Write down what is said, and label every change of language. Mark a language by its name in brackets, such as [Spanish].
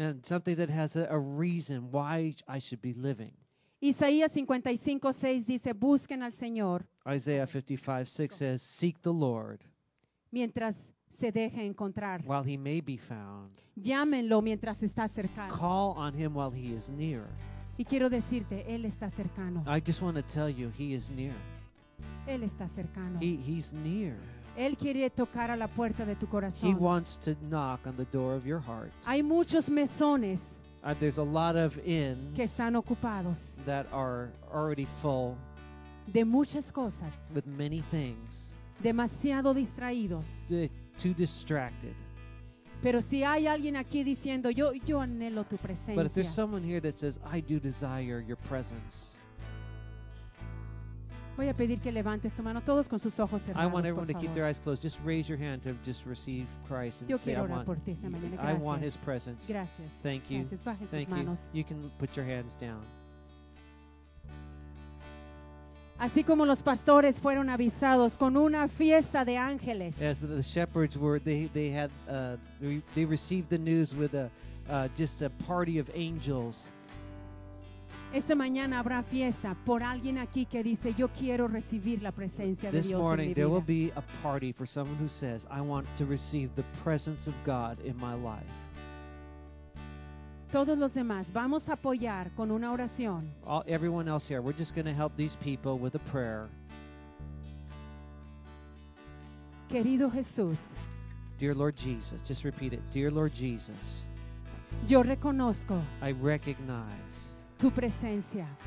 [English] And something that has a reason why I should be living. [Spanish] Isaías 55:6 dice, busquen al Señor. [English] Isaiah 55:6 says, seek the Lord. [Spanish] Mientras se deje encontrar. [English] While he may be found. [Spanish] Llámenlo mientras está cercano. [English] Call on him while he is near. [Spanish] Y quiero decirte, él está cercano. [English] I just want to tell you, he is near. [Spanish] Él está cercano. [English] He's near. [Spanish] Él quiere tocar a la puerta de tu corazón. [English] He wants to knock on the door of your heart. [Spanish] Hay muchos mesones. [English] There's a lot of inns. [Spanish] Que están ocupados. [English] That are already full. [Spanish] De muchas cosas. [English] With many things. [Spanish] Demasiado distraídos. [English] Too distracted. [Spanish] Pero si hay alguien aquí diciendo, yo anhelo tu presencia. [English] But if there's someone here that says, I do desire your presence. [Spanish] Voy a pedir que levantes tu mano, todos con sus ojos cerrados. [English] I want everyone to keep their eyes closed. Just raise your hand to just receive Christ and [Spanish] yo [English] say, [Spanish] orar [English] I want [Spanish] por ti esta mañana. Gracias. [English] I want his presence. [Spanish] Gracias. [English] Thank you. [Spanish] Gracias. Baje [English] Thank [Spanish] sus manos. [English] You can put your hands down. [Spanish] Así como los pastores fueron avisados con una fiesta de ángeles. [English] As the shepherds were, they received the news with a party of angels. [Spanish] Esta mañana habrá fiesta por alguien aquí que dice, yo quiero recibir la presencia de Dios en mi vida. [English] This morning there will be a party for someone who says, I want to receive the presence of God in my life. [Spanish] Todos los demás, vamos a apoyar con una oración. [English] Everyone else here, we're just going to help these people with a prayer. [Spanish] Querido Jesús. [English] Dear Lord Jesus, just repeat it. Dear Lord Jesus. [Spanish] Yo reconozco. [English] I recognize. [Spanish] Tu presencia.